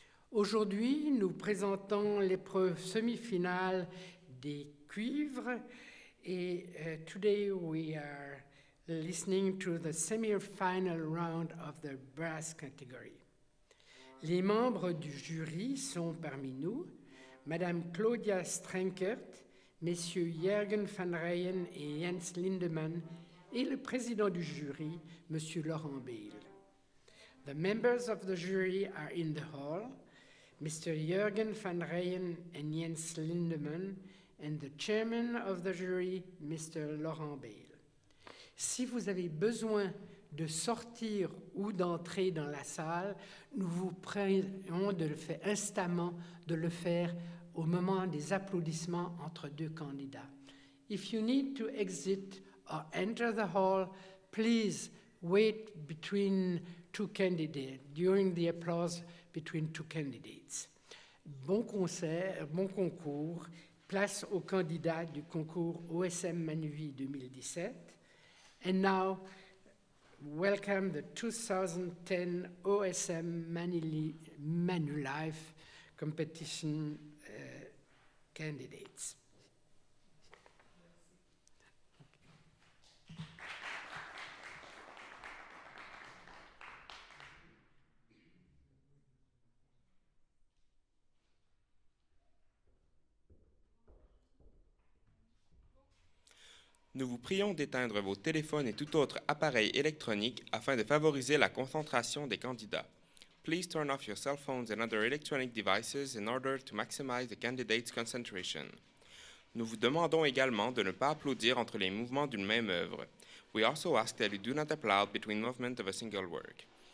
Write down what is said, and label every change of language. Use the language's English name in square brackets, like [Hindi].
[French] Aujourd'hui, nous présentons l'épreuve semi-finale des cuivres et [English] today we are listening to the semi-final round of the brass category. [French] Les membres du jury sont parmi nous, Madame Claudia Strenkert, Messieurs Jürgen van Rijen et Jens Lindemann, et le président du jury, Monsieur Laurent Beil. [English] The members of the jury are in the hall, Mr. Jürgen van Rijen and Jens Lindemann, and the chairman of the jury, Mr. Laurent Beil. [French] Si vous avez besoin de sortir ou d'entrer dans la salle, nous vous prions de le faire instamment, de le faire au moment des applaudissements entre deux candidats. [English] If you need to exit or enter the hall, please wait between two candidates, during the applause between two candidates. [French] Bon concert, bon concours, place aux candidats du concours OSM Manuvie 2017. [English] And now, welcome the 2010 OSM Manulife Competition candidates. [French] Nous vous prions d'éteindre vos téléphones et tout autre appareil électronique afin de favoriser la concentration des candidats. [English] Please turn off your cell phones and other electronic devices in order to maximize the candidate's concentration. [French] Nous vous demandons également de ne pas applaudir entre les mouvements d'une même œuvre. [English] We also ask that you do not applaud between movements of a single work.